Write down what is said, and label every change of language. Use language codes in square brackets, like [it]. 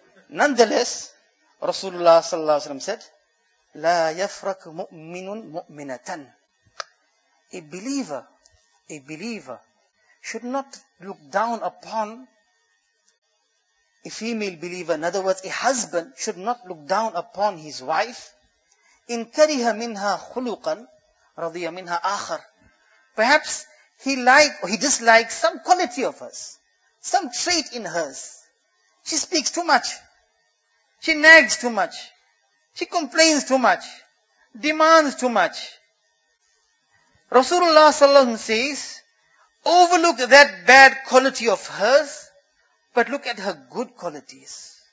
[en] Nonetheless, Rasulullah sallallahu alaihi wasallam said, لا يفرق مؤمن مؤمنة. A believer, should not look down upon a female believer. In other words, a husband should not look down upon his wife. [ar] إن كره منها خلقا رضي منها آخر. [en] Perhaps he likes or he dislikes some quality of hers, some trait in hers. She speaks too much. She nags too much. She complains too much. Demands too much. Rasulullah sallallahu alaihi wasallam says, overlook that bad quality of hers, but look at her good qualities.